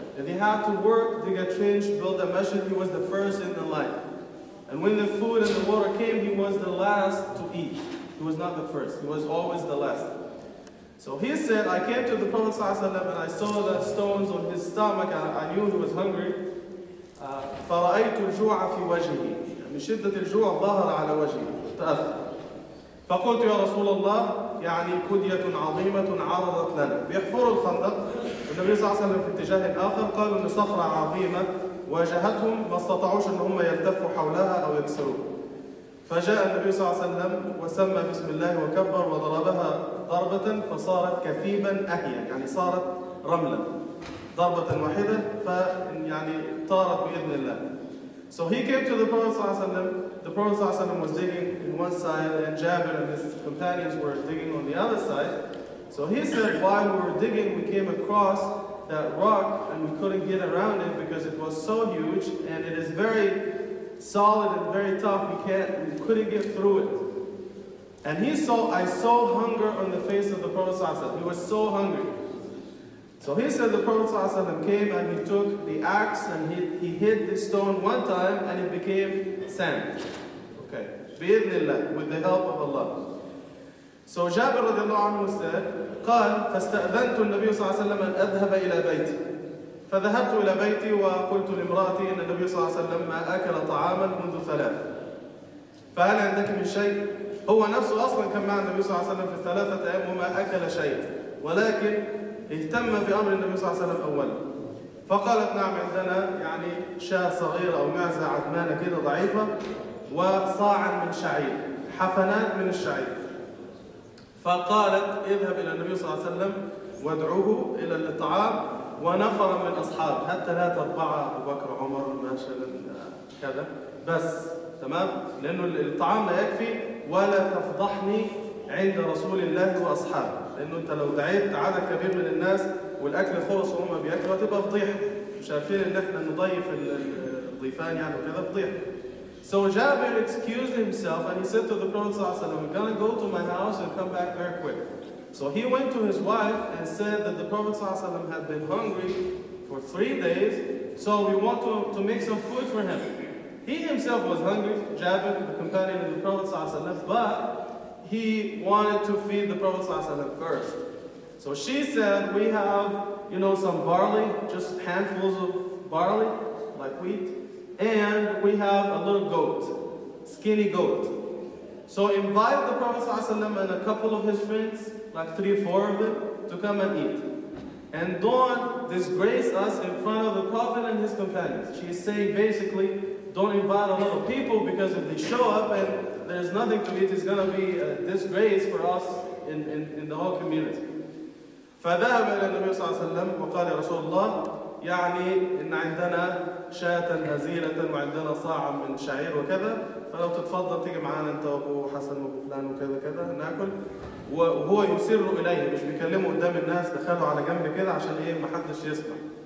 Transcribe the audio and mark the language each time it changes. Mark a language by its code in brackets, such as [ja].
[en] If he had to work, dig a trench, build a masjid, he was the first in the line. And when the food and the water came, he was the last to eat. He was not the first, he was always the last. So he said, I came to the Prophet ﷺ and I saw the stones on his stomach, and I knew he was hungry. [ar] فَرَأَيْتُ الْجُوعَ فِي وَجْهِهِ مِنْ شِدَّةِ الْجُوعَ ظَهَرَ عَلَى وَجْهِهِ فقلت يا رسول الله يعني كدية عظيمة عرضت لنا بيحفروا الخندق والنبي صلى الله عليه وسلم في اتجاه آخر قالوا إن صخرة عظيمة واجهتهم ما استطاعوش إن هم يلتفوا حولها أو يكسروها فجاء النبي صلى الله عليه وسلم وسمى بسم الله وكبر وضربها ضربة فصارت كثيبا أهيا يعني صارت رملا ضربة واحدة فيعني طارت بإذن الله. [en] So he came to the Prophet صلى الله عليه وسلم. The Prophet ﷺ was digging in one side and Jabir and his companions were digging on the other side. So he said, while we were digging, we came across that rock and we couldn't get around it because it was so huge and it is very solid and very tough. We couldn't get through it. And I saw hunger on the face of the Prophet ﷺ. He was so hungry. So he said the Prophet ﷺ came and he took the axe and he hit the stone one time and it became sand. Okay. [ar] بإذنالله, [en] with the help of Allah. So Jabir رضي الله عنه said, [ar] قال فاستأذنت النبي صلى الله عليه وسلم أن أذهب إلى بيتي. فذهبت إلى بيتي وقلت لامرأتي إن النبي صلى الله عليه وسلم ما أكل طعاما منذ 3. ف فهل عندك من شيء؟ هو نفسه أصلا كان مع النبي صلى الله عليه وسلم في 3 أيام وما أكل شيء، ولكن اهتم بأمر النبي صلى الله عليه وسلم أولا. فقالت نعم عندنا يعني شاة صغيرة أو معزة عدمانة كده ضعيفة، وصاعا من شعير، حفنات من الشعير. فقالت اذهب إلى النبي صلى الله عليه وسلم وادعوه إلى الطعام، ونفر من أصحاب حتى لا تطبع أبو بكر عمر ماشل كذا بس، تمام، لأنه الطعام لا يكفي، ولا تفضحني عند رسول الله وأصحابه، لأنه أنت لو دعيت عدد كبير من الناس والأكل خلص وهم بيأكلوا تبقى فضيحة، مش عارفين إن إحنا نضيف الضيفان يعني وكذا فضيحة. [en] So Jabir excused himself and he said to the Prophet صلى الله عليه وسلم, I'm gonna go to my house and come back very quick. So he went to his wife and said that the Prophet صلى الله عليه وسلم had been hungry for 3 days, so we want to make some food for him. He himself was hungry, Jabir, the companion of the Prophet صلى الله عليه وسلم, but he wanted to feed the Prophet صلى الله عليه وسلم first. So she said, we have, you know, some barley, just handfuls of barley, like wheat, and we have a little goat, skinny goat. So invite the Prophet صلى الله عليه وسلم and a couple of his friends, like 3 or 4 of them, to come and eat. And don't disgrace us in front of the Prophet and his companions. She is saying basically, don't invite a lot of people because if they show up and there's nothing to eat, it's gonna be a disgrace for us in the whole community. [ar] فذهب إلى النبي صلى الله عليه وسلم وقال يا رسول الله يعني إن عندنا شاة نزيلة وعندنا صاعا من شعير وكذا، فلو تتفضل تيجي معانا أنت وأبو حسن وأبو فلان وكذا كذا ناكل. وهو يسر إليه مش بيكلمه قدام الناس، دخله على جنب كده عشان إيه ما حدش يسمع.